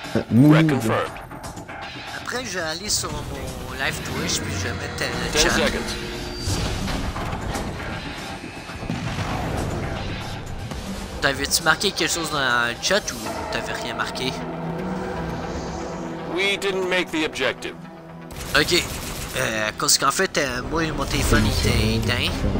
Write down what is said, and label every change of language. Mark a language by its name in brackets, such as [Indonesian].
[French] Mouille. Après, je vais aller sur mon live Twitch puis je vais mettre le chat. T'avais-tu marqué quelque chose dans le chat ou t'avais rien marqué? [English] We didn't make the objective. [French] Ok. Parce qu'en fait, moi, mon téléphone était éteint.